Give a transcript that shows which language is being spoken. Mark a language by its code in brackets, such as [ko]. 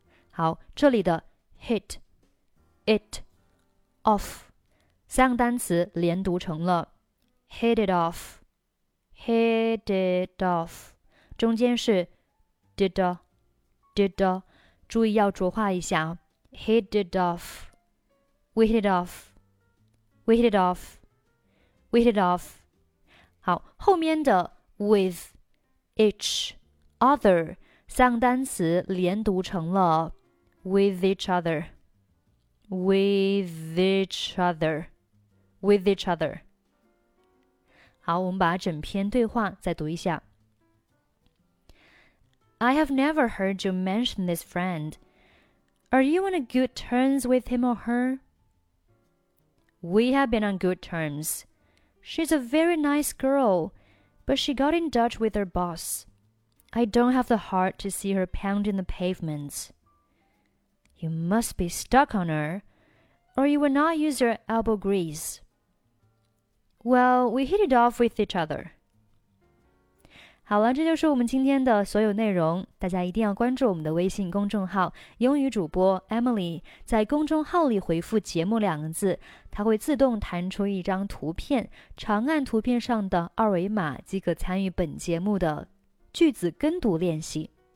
[zh] 好，这里的 [en] hit, it, off [zh] 三个单词连读成了 [en] hit it off, hit it off, [zh] 中间是 [en] did, did, [zh] 注意要浊化一下 [en] hit it off, we hit it off, we hit it off, we hit it off. [zh] 好，后面的 [en] with, each,Other [zh] 三个单词连读成了 [en] with each other, with each other, with each other. [zh] 好，我们把整篇对话再读一下。 [en] I have never heard you mention this friend. Are you on good terms with him or her? We have been on good terms. She's a very nice girl, but she got in touch with her boss. I don't have the heart to see her pounding the pavements. You must be stuck on her, or you will not use your elbow grease. Well, we hit it off with each other. [zh] 好了，这就是我们今天的所有内容。大家一定要关注我们的微信公众号“英语主播 Emily”。在公众号里回复“节目”两个字，它会自动弹出一张图片，长按图片上的二维码即可参与本节目的句子跟读练习。